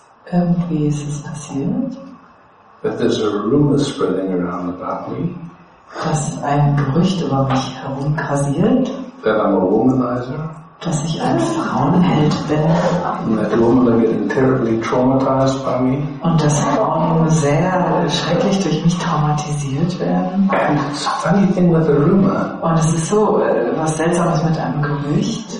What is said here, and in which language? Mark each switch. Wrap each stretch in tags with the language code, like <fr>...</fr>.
<de>Irgendwie ist es passiert.</de> <en>That there's a rumor spreading around about me.</en> <de>Dass ein Gerücht über mich herumkrasiert.</de> <en>That I'm a womanizer.</en> <de>Dass ich ein Frauenheld bin.</de> <en>And that women are getting terribly traumatized by me.</en> <de>Und dass Frauen sehr schrecklich durch mich traumatisiert werden.</de> <en>And it's a funny thing with a rumor.</en> <de>Und es ist so was Seltsames mit einem Gerücht.</de>